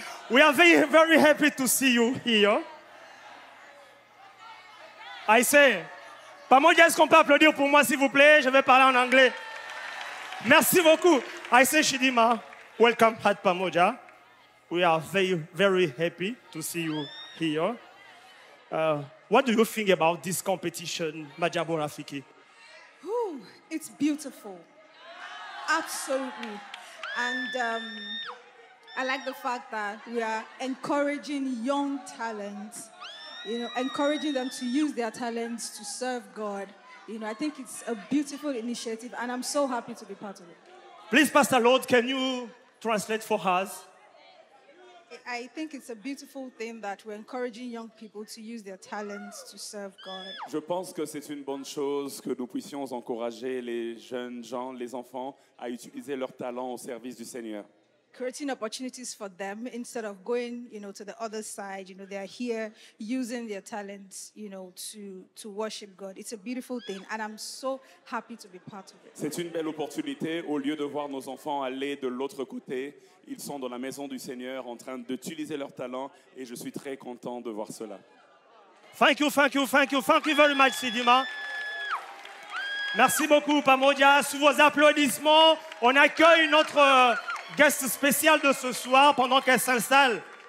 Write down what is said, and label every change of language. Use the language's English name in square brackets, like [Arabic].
[English] We are very, very happy to see you here. I say, [French] Pamoja, est-ce qu'on peut applaudir pour moi, s'il vous plaît? Je vais parler en anglais. Merci beaucoup. [English] I say, Chidinma, welcome at Pamoja. We are very, very happy to see you here. What do you think about this competition, Maajabu Rafiki? Ooh, it's beautiful. Absolutely. And I like the fact that we are encouraging young talent, you know, encouraging them to use their talents to serve God. You know, I think it's a beautiful initiative, and I'm so happy to be part of it. Please, Pastor Lord, can you translate for us? I think it's a beautiful thing that we're encouraging young people to use their talents to serve God. [French] Je pense que c'est une bonne chose que nous puissions encourager les jeunes gens, les enfants, à utiliser leurs talents au service du Seigneur. [English] Creating opportunities for them instead of going, you know, to the other side. You know, they are here using their talents, you know, to worship God. It's a beautiful thing, and I'm so happy to be part of it. [French] C'est une belle opportunité. Au lieu de voir nos enfants aller de l'autre côté, ils sont dans la maison du Seigneur en train d'utiliser leurs talents, et je suis très content de voir cela. [English] Thank you, thank you, thank you, thank you very much, Chidinma. [French] Merci beaucoup, Pamodia. Sous vos applaudissements, on accueille notre guest spécial de ce soir pendant qu'elle s'installe.